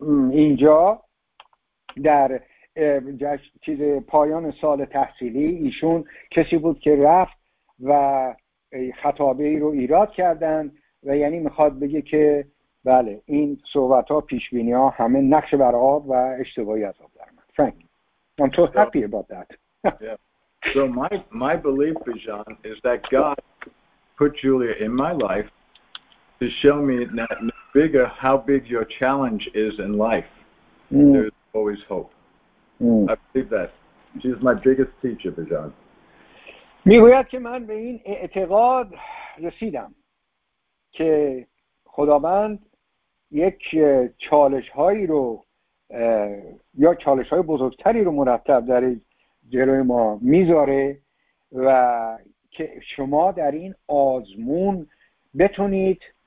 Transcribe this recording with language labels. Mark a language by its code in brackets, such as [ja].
[fa] اینجا در چیز پایان سال تحصیلی ایشون کسی بود که رفت و خطابه ای رو ایراد کردن و یعنی میخواد بگه که بله این صحبت ها پیشبینی ها همه نقش بر آب و اشتباهی از آب درمد. [en] Frank. I'm so happy about that. Yeah. So my belief, Bijan, is that God put Julia in my life to show me that no bigger how big your challenge is in life, there's always hope. I believe that. She's my biggest teacher, Bijan. [fa] میگوید که من به این اعتقاد رسیدم که خداوند یک چالش‌هایی رو یا چالش های بزرگتری رو مرتب در جلوی ما میذاره و که شما در این آزمون بتونید